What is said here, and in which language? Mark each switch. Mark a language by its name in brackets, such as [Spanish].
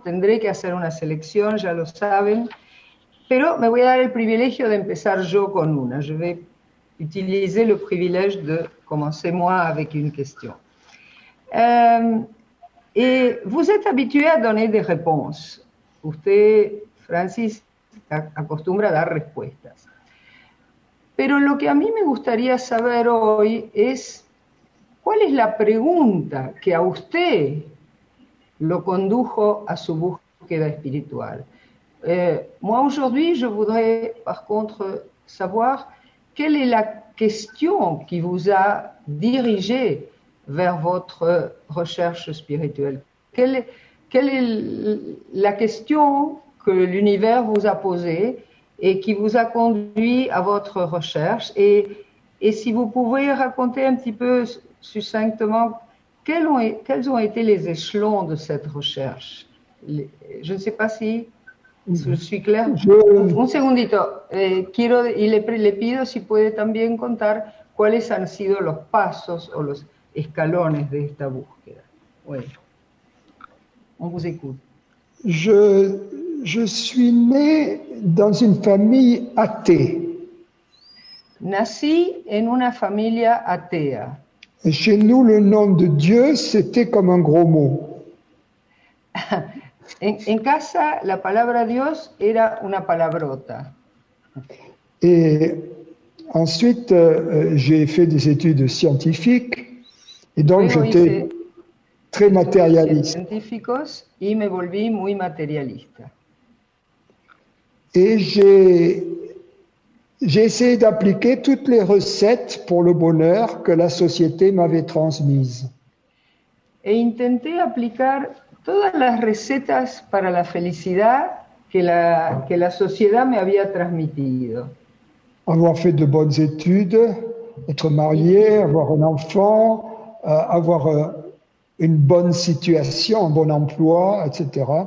[Spanish] Tendré que hacer una selección, ya lo saben. Pero me voy a dar el privilegio de empezar yo con una. [French] Je vais utiliser le privilège de commencer moi avec une question. Et vous êtes habitué à donner des réponses. [Spanish] Usted, Francis, acostumbra a dar respuestas. Pero lo que a mí me gustaría saber hoy es, ¿cuál es la pregunta que a usted lo condujo a su búsqueda espiritual? [French] Moi, aujourd'hui, je voudrais, par contre, savoir quelle est la question qui vous a dirigé vers votre recherche spirituelle. Quelle est la question que l'univers vous a posée et qui vous a conduit à votre recherche? Et si vous pouvez raconter un petit peu succinctement quels ont été les échelons de cette recherche? Je ne sais pas si je suis claire. [Spanish] Un segundito. Quiero y le pido si puede también contar cuáles han sido los pasos o los escalones de esta búsqueda. Bueno. [French] On vous écoute. Je suis né dans une famille athée. [Spanish] Nací en una familia atea. [French] Et chez nous, le nom de Dieu, c'était comme un gros mot. [Spanish] En casa, la palabra Dios era una palabrota. [French] Et ensuite, j'ai fait des études scientifiques. Et donc, j'étais... très matérialiste. [Spanish] Y me volví muy materialista. [French] Et j'ai essayé d'appliquer toutes les recettes pour le bonheur que la société m'avait transmises. [Spanish] E intenté aplicar todas las recetas para la felicidad que la sociedad me había transmitido. [French] Avoir fait de bonnes études, être marié, avoir un enfant, avoir une bonne situation, un bon emploi, etc.